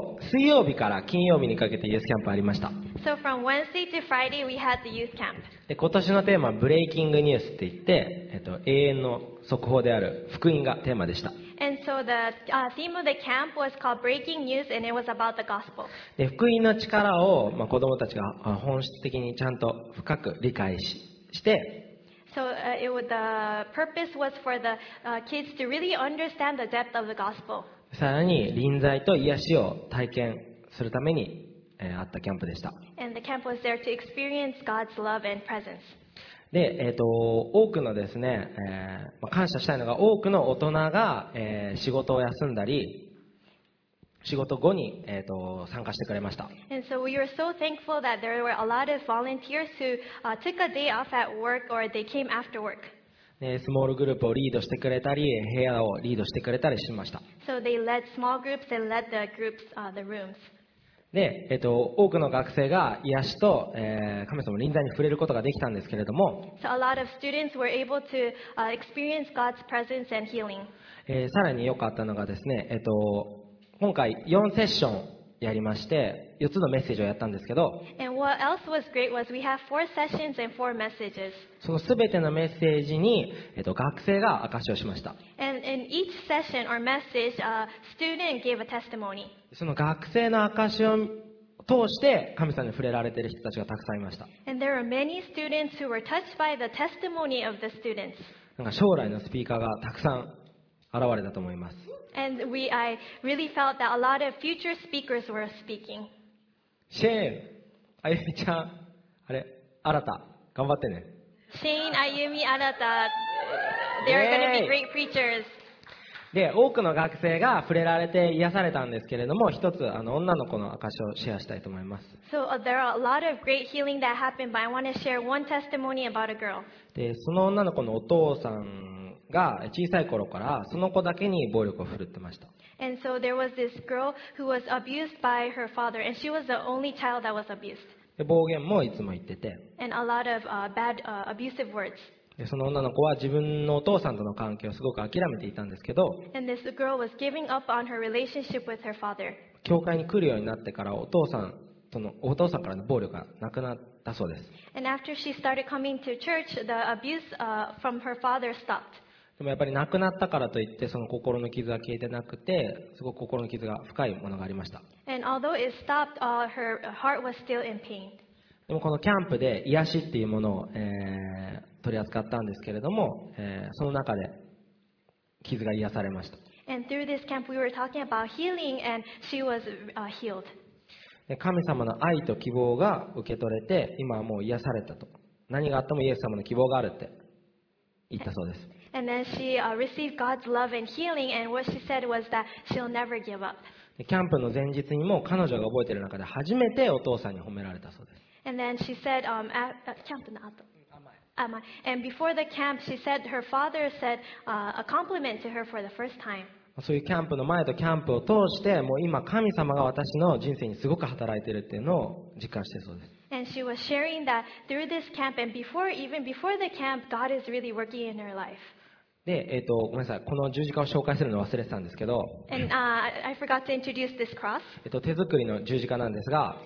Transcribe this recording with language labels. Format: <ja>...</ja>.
<ja>水曜日から金曜日にかけてユースキャンプありました。</ja> <en>So from Wednesday to Friday we had the youth camp.</en> <ja>で、今年のテーマはブレイキングニュースって言って、永遠の速報である福音がテーマでした。</ja> <en>And so the theme of the camp was called Breaking News and it was about the gospel.</en> <ja>で、福音の力を、まあ、子供たちが本質的にちゃんと深く理解 して、</ja> <en>So the purpose was for the kids to really understand the depth of the gospel.</en> <ja>さらに臨在と癒しを体験するために、あったキャンプでした。</ja> <en>And the camp was there to experience God's love and presence.</en> <ja>で、多くのですね、感謝したいのが多くの大人が、仕事を休んだり、仕事後に、参加してくれました。</ja> <en>And so we were so thankful that there were a lot of volunteers who took a day off at work or they came after work.</en> <ja>スモールグループをリードしてくれたり、部屋をリードしてくれたりしました。</ja> <en>So they led small groups and led the groups, the rooms.</en> <ja>で、多くの学生が癒しと、神様の臨在に触れることができたんですけれども。</ja> <en>So a lot of students were able to experience God's presence and healing.</en> <ja>さらに良かったのがですね、今回4セッションやりまして4つのメッセージをやったんですけど、その全てのメッセージに、学生が証しをしました。</ja> <en>And in each session or message, a student gave a testimony.</en> <ja>その学生の証を通して神様に触れられている人たちがたくさんいました。</ja> <en>And there are many students who were touched by the testimony of the students.</en> <ja>なんか将来のスピーカーがたくさん現れたと思います。</ja> <en>And we, I really felt that a lot of future speakers were speaking.</en> <ja>Shane, Ayumi ちゃん、あれ、Arata、頑張ってね。</ja> <en>Shane, Ayumi, Arata, they are going to be great preachers.</en> <ja>で、多くの学生が触れられて癒されたんですけれども、一つ女の子の証をシェアしたいと思います。</ja> <en>So there are a lot of great healing that happened, but I want to share one testimony about a girl.</en> <ja>で、その女の子のお父さんが小さい頃からその子だけに暴力を振るってました。で、暴言もいつも言ってて、</ja> <en>And a lot of bad, abusive words.</en> <ja>で、その女の子は自分のお父さんとの関係をすごく諦めていたんですけど、</ja> <en>And this girl was giving up on her relationship with her father.</en> <ja>教会に来るようになってからお父さんからの暴力がなくなってそうです。</ja> <en>And after she started coming to church, the abuse from her father stopped.</en> <ja>でもやっぱり亡くなったからといってその心の傷は消えてなくて、すごく心の傷が深いものがありました。</ja> <en>And although it stopped, her heart was still in pain.</en> <ja>でもこのキャンプで癒しっていうものを、取り扱ったんですけれども、その中で傷が癒されました。</ja> <en>And through this camp, we were talking about healing, and she was healed.</en> <ja>神様の愛と希望が受け取れて、今はもう癒されたと。何があってもイエス様の希望があるって言ったそうです。</ja> <en>And then she received God's love and healing, and what she said was that she'll never give up.</en> <ja>キャンプの前日にも彼女が覚えている中で初めてお父さんに褒められたそうです。</ja> <en>And then she said, at camp</en> <ja>の後。</ja> <en>And before the camp, she said her father said a compliment to her for the first time.</en> <ja>そういうキャンプの前とキャンプを通して、もう今神様が私の人生にすごく働いているっていうのを実感しているそうです。</ja> <en>And she was sharing that through this camp and before, even before the camp, God is really working in her life.</en> <ja>で、ごめんなさい、この十字架を紹介するの忘れてたんですけど。</ja> <en>And I forgot to introduce this cross.</en> <ja>手作りの十字架なんですが。</ja>